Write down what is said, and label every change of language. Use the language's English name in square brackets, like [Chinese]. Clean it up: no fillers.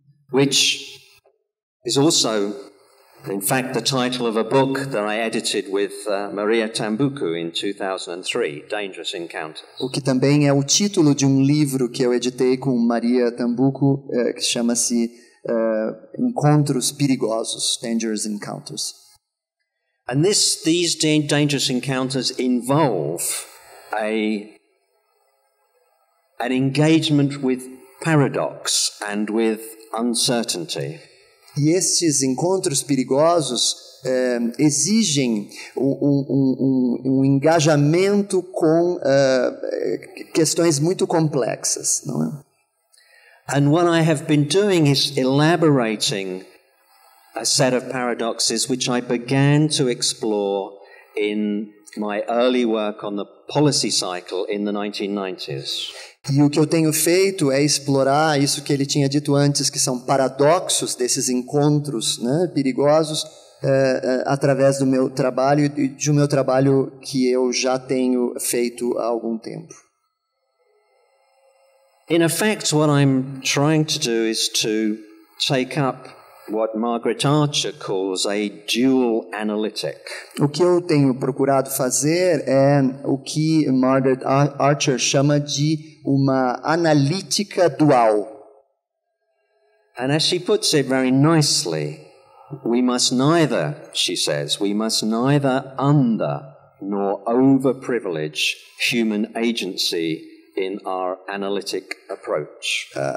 [English] Which is also, in fact, the title of a book that I edited with Maria Tambuco in 2003, Dangerous Encounters. [Portuguese] O que também é o título de livro que eu editei com Maria Tambuco, que chama-se Encontros Perigosos, Dangerous Encounters. [English] And these dangerous encounters involve an engagement with paradox and with uncertainty. [Portuguese] E estes encontros perigosos exigem um engajamento com questões muito complexas, não é? [English] And what I have been doing is elaborating a set of paradoxes which I began to explore in my early work on the policy cycle in the 1990s. [Portuguese] E o que eu tenho feito é explorar isso que ele tinha dito antes, que são paradoxos desses encontros, né, perigosos, através do meu trabalho e de um meu trabalho que eu já tenho feito há algum tempo. [English] In effect, what I'm trying to do is to take up what Margaret Archer calls a dual analytic. [Portuguese] O que eu tenho procurado fazer é o que Margaret Archer chama de uma analítica dual. [English] And as she puts it very nicely, we must neither, she says, we must neither under nor overprivilege human agency in our analytic approach.